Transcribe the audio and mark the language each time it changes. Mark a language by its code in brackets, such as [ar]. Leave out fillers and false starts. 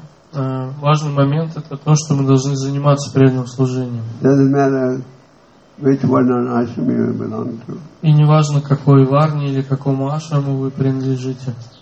[ru] Важный момент это то, что мы должны заниматься преданным служением. [en] Doesn't matter which one or ashram you belong to. [ru] И не важно, какой варне или какому ашраму вы принадлежите.